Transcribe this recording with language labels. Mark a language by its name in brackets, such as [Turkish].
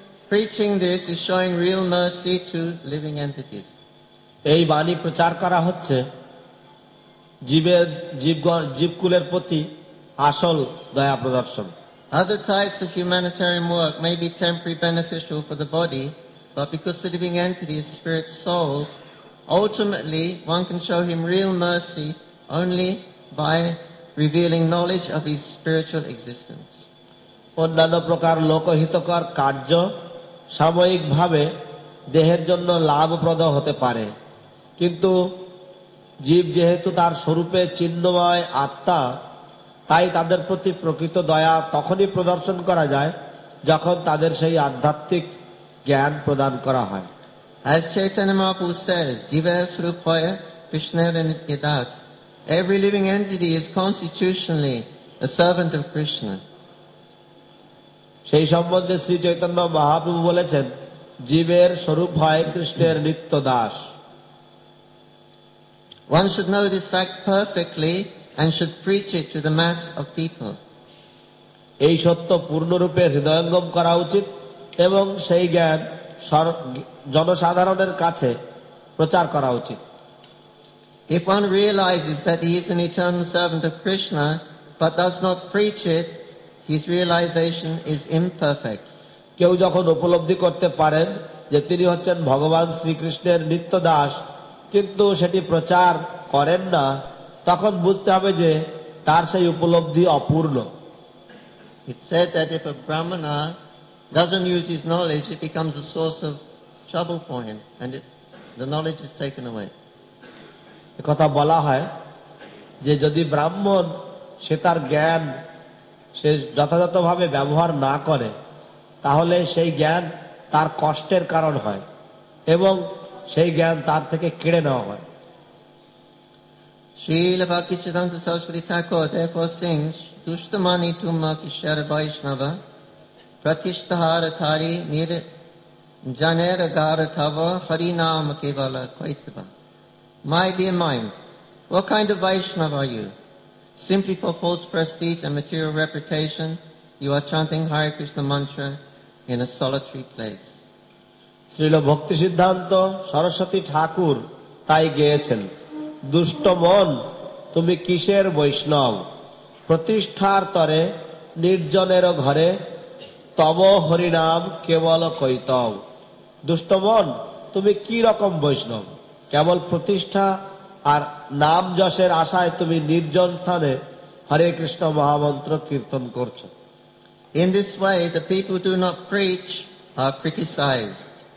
[English] Preaching this is showing real mercy to living entities. [Bangla] এই বাণী প্রচার করা হচ্ছে জীবের জীবকুলের প্রতি আসল দয়া প্রদর্শন। [English] Other types of humanitarian work may be temporary beneficial for the body, but because the living entity is spirit soul, ultimately one can show him real mercy only by revealing knowledge of his spiritual existence. [Bangla] অন্যান্য প্রকার লোকহিতকর কার্য সাময়িকভাবে দেহের জন্য লাভপ্রদ হতে পারে, কিন্তু জীব যেহেতু তার স্বরূপে চিহ্নময় আত্মা, তাই তাদের প্রতি প্রকৃত দয়া তখনই প্রদর্শন করা যায় যখন তাদের সেই আধ্যাত্মিক জ্ঞান প্রদান করা হয়। [English] As Chaitanya Mahaprabhu says, [Bangla] jiva swarupaya krishnaya nitya das. [English] Every living entity is constitutionally a servant of krishna. [Bangla] সেই সম্বন্ধে শ্রী চৈতন্য মহাপ্রভু বলেছেন জীবের স্বরূপ হয় কৃষ্ণের নিত্য Das. [English] One should know this fact perfectly and should preach it to the mass of people. [Bangla] এই সত্য পূর্ণরূপে হৃদয়ঙ্গম করা উচিত এবং সেই জ্ঞান জনসাধারণের কাছে প্রচার করা উচিত। [English] If one realizes that he is an eternal servant of Krishna but does not preach it, his realization is imperfect. [Bangla] কেউ যখন উপলব্ধি করতে পারেন যে তিনি হচ্ছেন ভগবান শ্রীকৃষ্ণের নিত্য দাস, কিন্তু সেটি প্রচার করেন না, তখন বুঝতে হবে যে তার সেই উপলব্ধি অপূর্ণ। [English] It said that if a brahmana doesn't use his knowledge, it becomes a source of trouble for him and the knowledge is taken away. [Bangla] একথা বলা হয় যে যদি ব্রাহ্মণ সে তার জ্ঞান সে যথাযথভাবে ব্যবহার না করে, তাহলে সেই জ্ঞান তার কষ্টের কারণ হয় এবং সেই জ্ঞান তার থেকে কেড়ে নেওয়া হয়। শ্রীল ভক্তি সিদ্ধান্ত সরস্বতী ঠাকুর [English] therefore sings [Bangla] দুষ্টমানি তুম কিশোর বৈষ্ণব প্রতিষ্ঠার থারি নির জনের গার থব হরি নাম কেবল Kaitabha. [English] My dear mind, what kind of Vaishnava are you? Simply for false prestige and material reputation, you are chanting Hare Krishna mantra in a solitary place. [Bangla] Srila Bhakti Siddhanta Saraswati Thakur tai geyechen, dushto mon tumi kisher Vaishnav, pratishthar tore nirjaner ghore tabo hari naam kebol koitav. Dushto mon tumi ki rokom Vaishnav, kebol pratishtha আর নাম যশের আশায় তুমি নির্জন স্থানে হরে কৃষ্ণ মহামন্ত্র কীর্তন করছো। [English] In this way the people do not preach are criticized.